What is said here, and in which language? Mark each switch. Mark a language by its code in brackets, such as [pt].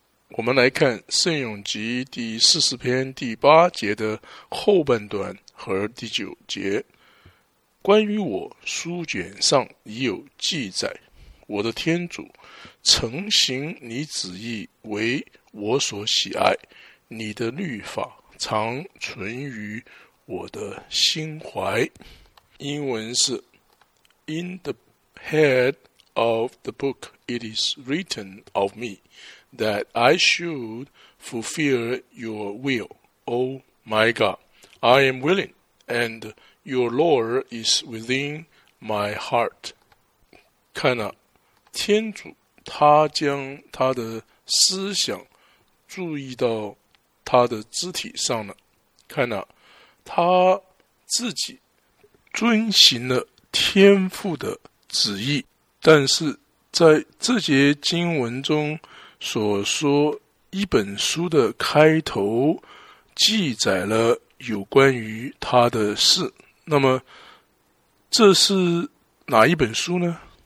[zh] 我们来看圣咏集第40篇第八节的后半段和第九节，关于我书卷上已有记载，我的天主曾行你旨意为我所喜爱，你的律法常存于我的心怀。英文是 [en] In the head of the book it is written of me that I should fulfill your will, O my God. I am willing, and your law is within my heart. [zh] 看啊，天主他将他的思想注意到他的肢体上了。看啊，他自己遵行了天父的旨意，但是在这节经文中所说一本书的开头记载了有关于他的事，那么这是哪一本书呢？